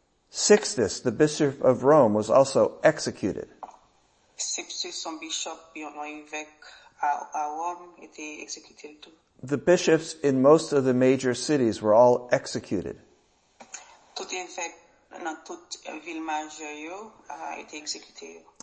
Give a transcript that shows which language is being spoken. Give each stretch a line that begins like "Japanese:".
English: Sixtus, the bishop of Rome, was also executed.
French: Sixtus, son bishop, un évêque à Rome, était exécuté.
English: The bishops in most of the major cities were all executed.
French: Tout évêque dans toute ville majeure a été exécuté.